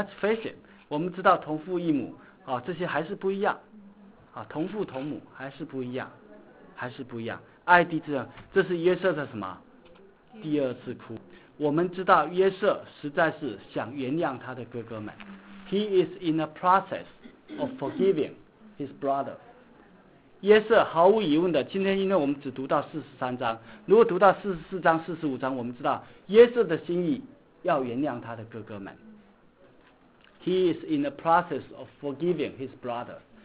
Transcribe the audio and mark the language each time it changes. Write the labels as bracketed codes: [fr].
[en] Let's face it, [zh] 我们知道同父异母啊，这些还是不一样啊，同父同母还是不一样，还是不一样。爱弟之人，这是约瑟的什么？第二次哭。我们知道约瑟实在是想原谅他的哥哥们。 [en] He is in the process of forgiving his brother. [zh] 约瑟毫无疑问的，今天因为我们只读到43章，如果读到44章、45章，我们知道约瑟的心意要原谅他的哥哥们。 [en] He is in the process of forgiving his brother.